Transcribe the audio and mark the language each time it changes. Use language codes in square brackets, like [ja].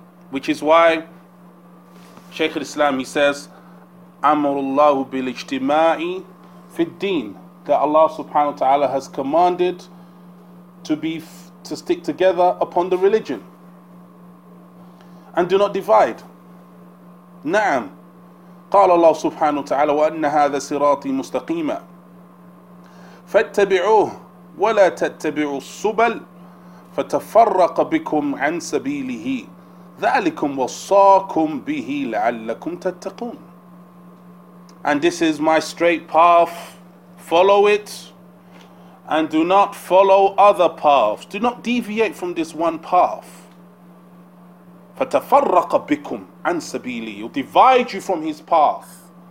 [en] Which is why Shaykh al-Islam, he says, [ar] أَمَرُ اللَّهُ بِالْإِجْتِمَاعِ فِي الدِّينِ. [en] That Allah subhanahu wa ta'ala has commanded to stick together upon the religion. And do not divide. نعم. [ar] قال الله سبحانه وتعالى وأن هذا صراطي مستقيما فاتبعوه ولا تتبعوا السبل فتفرق بكم عن سبيله ذلكم وصاكم به لعلكم تتقون. [en] And this is my straight path, follow it and do not follow other paths, do not deviate from this one path. [ar] فَتَفَرَّقَ بِكُمْ عَنْ سَبِيلِي. [en] He'll divide you from his path.